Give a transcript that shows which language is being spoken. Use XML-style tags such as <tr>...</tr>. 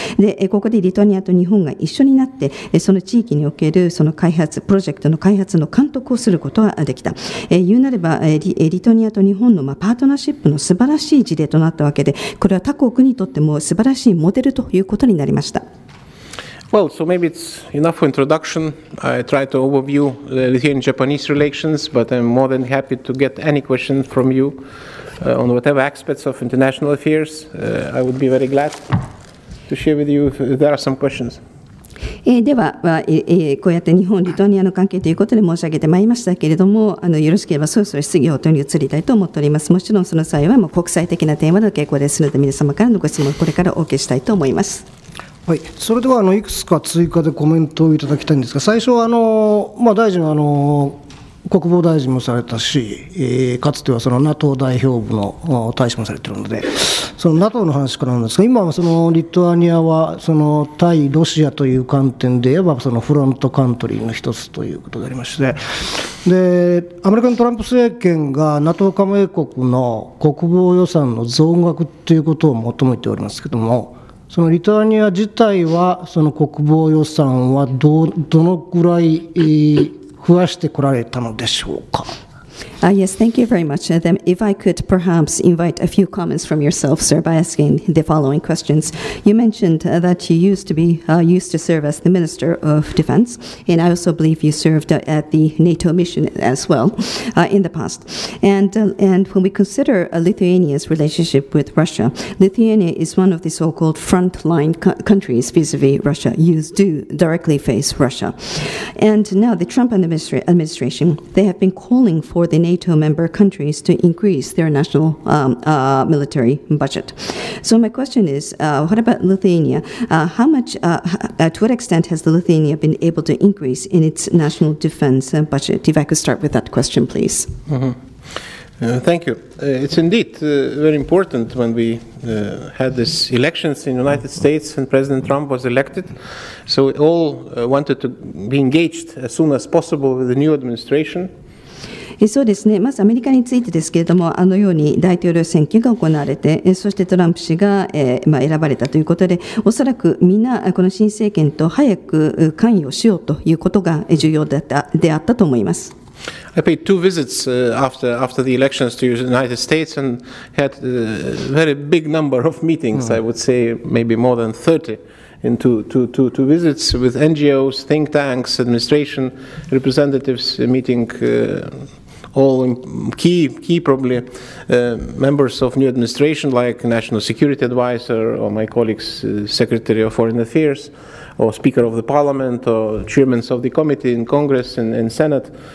<ja>でここでリトアニアと日本が一緒になって、その地域におけるその開発プロジェクトの開発の監督をすることができた。言うなれば リトニアと日本のパートナーシップの素晴らしい事例となったわけで、これは他国にとっても素晴らしいモデルということになりました。</ja> <en>Well, so maybe it's enough for introduction. I try to overview the Lithuanian-Japanese relations, but I'm more than happy to get any questions from you on whatever aspects of international affairs. I would be very glad to share with you if there are some questions.</en> <ja>ではこうやって日本リトアニアの関係ということで申し上げてまいりましたけれども、よろしければそろそろ質疑応答に移りたいと思っております。もちろんその際は国際的なテーマで結構ですので、皆様からのご質問これからお受けしたいと思います。はい、それではいくつか追加でコメントをいただきたいんですが、最初は大臣は国防大臣もされたし、かつてはその NATO 代表部の大使もされているので、その NATO の話からなんですが、今はそのリトアニアはその対ロシアという観点で言えばそのフロントカントリーの一つということでありまして、でアメリカのトランプ政権が NATO 加盟国の国防予算の増額ということを求めておりますけれども、そのリトアニア自体はその国防予算は どのくらい増やしてこられたのでしょうか。</ja> <en>Yes, thank you very much. Then if I could perhaps invite a few comments from yourself, sir, by asking the following questions. You mentioned that you used to serve as the Minister of Defense, and I also believe you served at the NATO mission as well in the past. And when we consider Lithuania's relationship with Russia, Lithuania is one of the so-called frontline countries vis-a-vis Russia. You do directly face Russia. And now the Trump administration, they have been calling for the NATO member countries to increase their national military budget. So my question is, what about Lithuania? How much, to what extent has the Lithuania been able to increase in its national defense budget? If I could start with that question, please. Thank you. It's indeed very important when we had this elections in the United States and President Trump was elected. So we all wanted to be engaged as soon as possible with the new administration.</en> <ja>そうですね、まずアメリカについてですけれども、あのように大統領選挙が行われて、そしてトランプ氏が、まあ、選ばれたということで、おそらくみんなこの新政権と早く関与しようということが重要だったであったと思います。</ja> <en>I paid two visits after the elections to the United States and had a very big number of meetings, I would say maybe more than 30 in two visits with NGOs, think tanks, administration representatives, meeting all key probably members of new administration like National Security Advisor or my colleagues, Secretary of Foreign Affairs or Speaker of the Parliament or Chairmen of the Committee in Congress and in Senate.</en>